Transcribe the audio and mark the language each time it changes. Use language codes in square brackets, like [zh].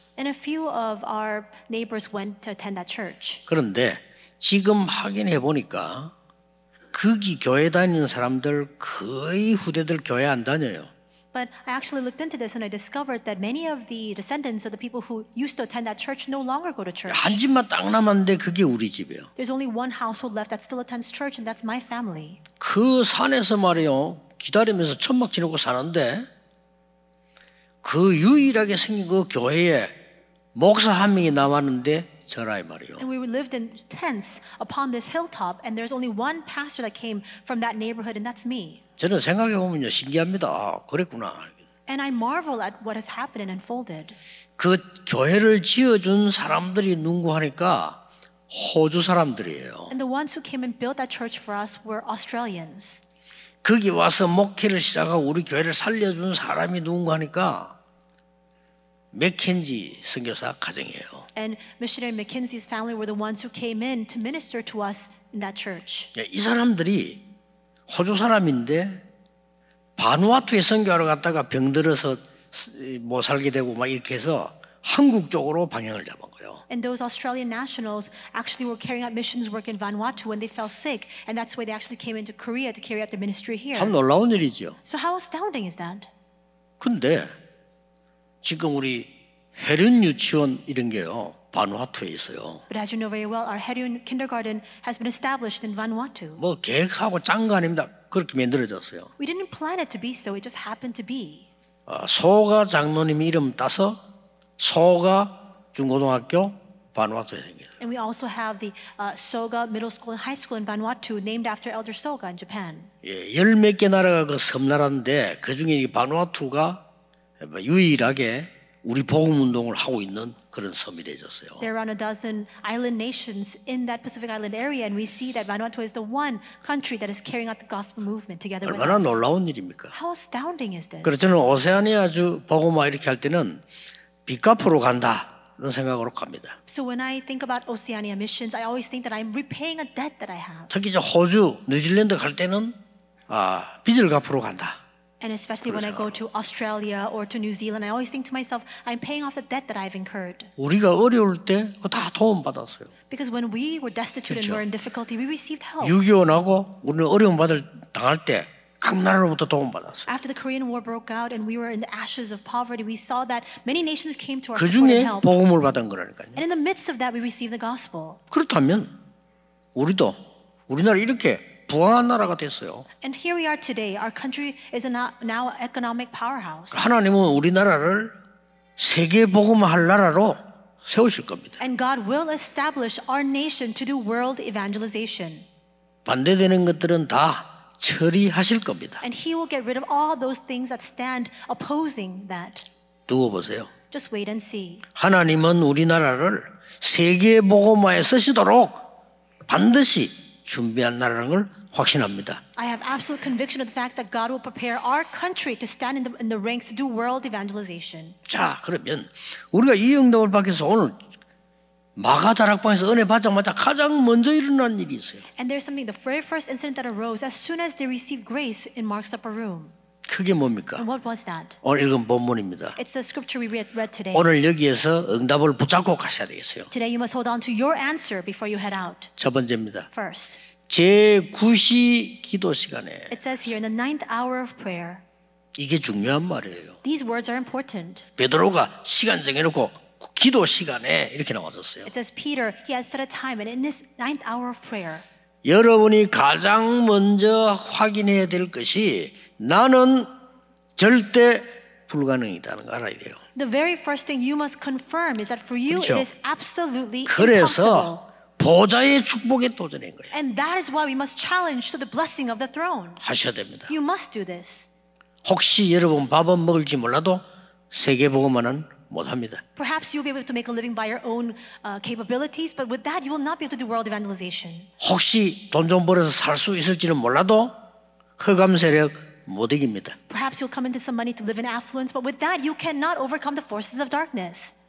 [en] And a few of our neighbors went to attend that church. [ko] 그런데 지금 확인해 보니까 거기 교회 다니는 사람들 거의 후대들 교회 안 다녀요. [en] But I actually looked into this and I discovered that many of the descendants of the people who used to attend that church no longer go to church. [ko] 한 집만 딱 남았는데 그게 우리 집이에요. [en] There's only one household left that still attends church and that's my family. [ko] 그 산에서 말이요. 기다리면서 천막 지르고 사는데 그 유일하게 생긴 그 교회에 목사 한 명이 남았는데 저라이 말이요. [en] And we lived in tents upon this hilltop and there's only one pastor that came from that neighborhood and that's me. [ko] 저는 생각해 보면요 신기합니다. 아, 그랬구나. [en] And I marvel at what has happened and unfolded. [ko] 그 교회를 지어준 사람들이 누구하니까 호주 사람들이에요. [en] And the ones who came and built that church for us were Australians. [ko] 거기 와서 목회를 시작하고 우리 교회를 살려준 사람이 누군가니까 맥켄지 선교사 가정이에요. [en] And missionary Mackenzie's family were the ones who came in to minister to us in that church. [ko] 이 사람들이 호주 사람인데 바누아투에 선교하러 갔다가 병들어서 못 살게 되고 막 이렇게 해서 한국 쪽으로 방향을 잡은 거예요. [en] And those Australian nationals actually were carrying out missions work in Vanuatu when they fell sick, and that's why they actually came into Korea to carry out the ministry here. [ko] 참 놀라운 일이죠. [en] So how astounding is that? [ko] 근데 지금 우리 해륜 유치원 이런 게요 바누아투에 있어요. [en] But as you know very well, our Heryun Kindergarten has been established in Vanuatu. [ko] 뭐 계획하고 짠 거 아닙니다. 그렇게 만들어졌어요. [en] We didn't plan it to be so; it just happened to be. [ko] 소가 장로님 이름 따서 소가 중고등학교 바누아투에 생겨요. [en] And we also have the Soga Middle School and High School in Vanuatu named after Elder Soga in Japan. [ko] 예, 열 몇 개 나라가 그 섬나라인데 그 중에 이 바누아투가 유일하게 우리 복음 운동을 하고 있는 그런 섬이 되었어요. [en] There are around a dozen island nations in that Pacific island area and we see that Vanuatu is the one country that is carrying out the gospel movement together with us. [ko] 얼마나 놀라운 일입니까? [en] How astounding is this? [ko] 그렇죠. 오세아니아주 복음화 이렇게 할 때는 빚갚으러 간다. 그런 생각으로 갑니다. [en] So when I think about Oceania missions, I always think that I'm repaying a debt that I have. [ko] 특히 저 호주, 뉴질랜드 갈 때는 빚을 갚으러 간다. [en] And especially when I go to Australia or to New Zealand, I always think to myself, I'm paying off the debt that I've incurred. [ko] 우리가 어려울 때 그거 다 도움 받았어요. [en] Because when we were destitute [ko] 그렇죠. [en] and were in difficulty, we received help. [ko] 6.25 나고 우리는 어려움 받을 당할 때 각 나라로부터 도움 받았어요. [en] After the Korean War broke out and we were in the ashes of poverty, we saw that many nations came to our [ko] 그 중에 [en] support and help. [ko] 복음을 받은 거라니까요. [en] And in the midst of that, we received the gospel. [ko] 그렇다면 우리도 우리나라 이렇게 부흥한 나라가 됐어요. [en] And here we are today. Our country is now an economic powerhouse. [ko] 하나님은 우리나라를 세계 복음화할 나라로 세우실 겁니다. [en] And God will establish our nation to do world evangelization. [ko] 반대되는 것들은 다 처리하실 겁니다. [en] And he will get rid of all those things that stand opposing that. [ko] 두고 보세요. [en] Just wait and see. [ko] 하나님은 우리나라를 세계 복음화에 쓰시도록 반드시 준비한 나라라는 걸 확신합니다. [en] I have absolute conviction of the fact that God will prepare our country to stand in the ranks to do world evangelization. [ko] 자, 그러면 우리가 이 응답을 받기서 오늘 마가 다락방에서 은혜 받자마자 가장 먼저 일어난 일이 있어요. [en] And there's something, the very first incident that arose as soon as they received grace in Mark's upper room. [ko] 그게 뭡니까? [en] And what was that? [ko] 오늘 읽은 본문입니다. [en] It's the scripture we read today. [ko] 오늘 여기에서 응답을 붙잡고 가셔야 되겠어요. [en] Today you must hold on to your answer before you head out. [ko] 첫 번째입니다. [en] First. [ko] 제 9시 기도 시간에. [en] It says here in the ninth hour of prayer. [ko] 이게 중요한 말이에요. [en] These words are important. [ko] 베드로가 시간 정해놓고 기도 시간에 이렇게 나왔었어요. [en] It says Peter, he has set a time and in this ninth hour of prayer. [ko] 여러분이 가장 먼저 확인해야 될 것이 나는 절대 불가능이다는 걸 알아야 돼요. [en] The very first thing you must confirm is that for you [ko] 그렇죠? [en] it is absolutely impossible. [ko] 그래서 보좌의 축복에 도전한 거예요. [en] And that is why we must challenge to the blessing of the throne. [ko] 하셔야 됩니다. [en] You must do this. [ko] 혹시 여러분 밥은 먹을지 몰라도 세계복음화는 못 합니다. [en] Perhaps you'll be able to make a living by your own capabilities, but with that, you will not be able to do world evangelization. [ko] 혹시 돈 좀 벌어서 살 수 있을지는 몰라도 흑암 세력 못 이깁니다. [en] Perhaps you'll come into some money to live in affluence, but with that, you cannot overcome the forces of darkness.